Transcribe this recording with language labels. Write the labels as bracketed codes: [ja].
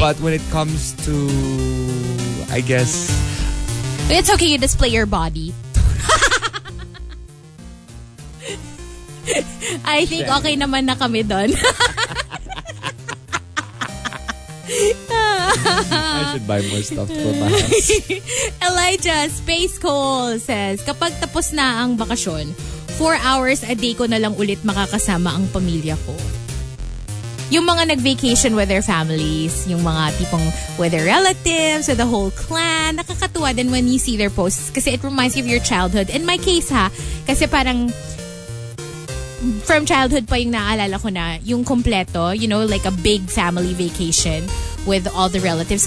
[en] But when it comes to, I guess. It's okay, you display your body. [tl] I think okay naman na kami doon. [en] I should buy more stuff to put my house. [tl] Elijah Space Cole says, kapag tapos na ang bakasyon, 4 hours a day ko na lang ulit makakasama ang pamilya ko. Yung mga nag-vacation [en] with their families, [tl] yung mga tipong [en] with their relatives, with the whole clan, [tl] nakakatuwa din [en] when you see their posts kasi it reminds you of your childhood. In my case [tl] ha, kasi parang [en] from childhood [tl] pa yung naalala ko na yung kompleto, [en] you know, like a big family vacation with all the relatives.